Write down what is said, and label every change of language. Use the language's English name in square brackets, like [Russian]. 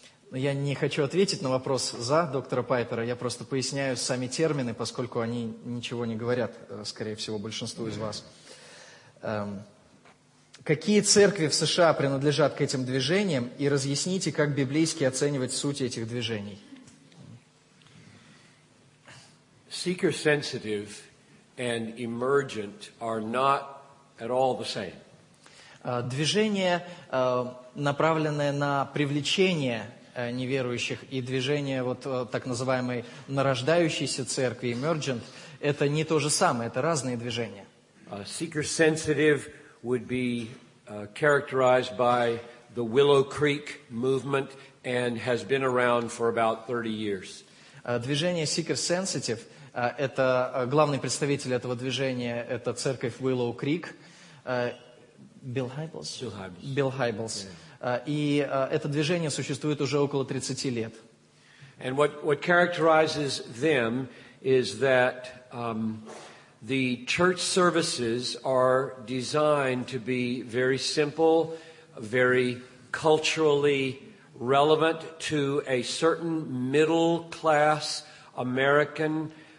[Russian] Я не хочу ответить на вопрос за доктора Пайпера, я просто поясняю сами термины, поскольку они ничего не говорят, скорее всего, большинству из вас. Какие церкви в США принадлежат к этим движениям, и разъясните, как библейски оценивать суть этих движений? [English] Seeker-sensitive and emergent are not at all the same. [Russian] Движение, направленное на привлечение неверующих, и движение вот так называемой нарождающейся церкви, emergent, это не то же самое, это разные движения. [English] Seeker-sensitive would be characterized by the Willow Creek movement and has been around for about 30 years. [Russian] Движение seeker-sensitive, это главный представитель этого движения, это церковь Willow Creek. Билл Хайблс. Это движение существует уже около 30 лет. [English] And what characterizes them is that the church services are designed to be very simple, very culturally relevant to a certain middle-class American